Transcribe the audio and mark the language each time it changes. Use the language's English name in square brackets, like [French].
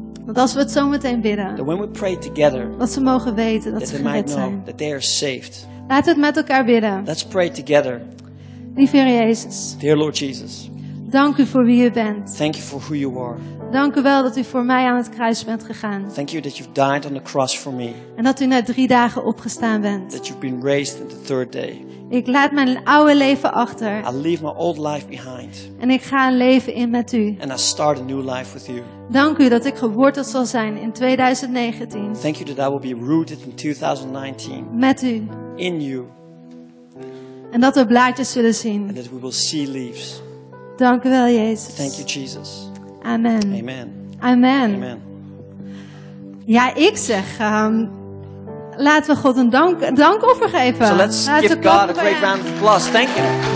[Dutch] dat als we het zo meteen bidden. [English] That when we pray together, [Dutch] dat ze mogen weten dat [English] that [Dutch] ze gered zijn. [English] That they are saved. [Dutch] Laat het met elkaar bidden. [English] Let's pray together. [Dutch] Lieve Heer Jezus. [English] Dear Lord Jesus. [Dutch] Dank u voor wie u bent. [English] Thank you for who you are. [Dutch] Dank u wel dat u voor mij aan het kruis bent gegaan. [English] Thank you that you've died on the cross for me. [Dutch] En dat u na 3 dagen opgestaan bent. [English] That you've been raised in the third day. [Dutch] Ik laat mijn oude leven achter. [English] I leave my old life behind. [Dutch] En ik ga een leven in met u. [English] And I start a new life with you. [Dutch] Dank u dat ik geworteld zal zijn in 2019. [English] Thank you that I will be rooted in 2019. [Dutch] Met u. [English] In you. [Dutch] En dat we blaadjes zullen zien. [English] And that we will see leaves. [Dutch] Dank u wel, Jezus. [English] Thank you, Jesus. [Dutch] Amen. [English] Amen. [Dutch] Amen. [English] Amen. [Dutch] Ja, ik zeg, laten we God een dankoffer geven. [English] So let's give God a great round of applause. Thank you.